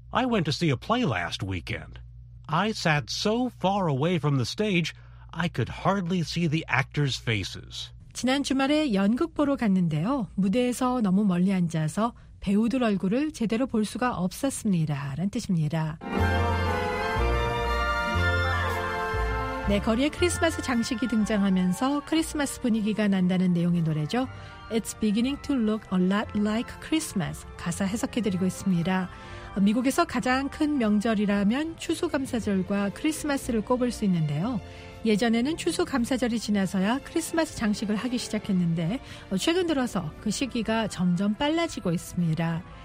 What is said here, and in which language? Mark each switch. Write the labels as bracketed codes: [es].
[en] I went to see a play last weekend. I sat so far away from the stage, I could hardly see the actors' faces. [ko] 지난 주말에 연극 보러 갔는데요. 무대에서 너무 멀리 앉아서 배우들 얼굴을 제대로 볼 수가 없었습니다라는 뜻입니다. 네, 거리에 크리스마스 장식이 등장하면서 크리스마스 분위기가 난다는 내용의 노래죠. [en] It's beginning to look a lot like Christmas. [ko] 가사 해석해드리고 있습니다. 미국에서 가장 큰 명절이라면 추수감사절과 크리스마스를 꼽을 수 있는데요. 예전에는 추수감사절이 지나서야 크리스마스 장식을 하기 시작했는데 최근 들어서 그 시기가 점점 빨라지고 있습니다.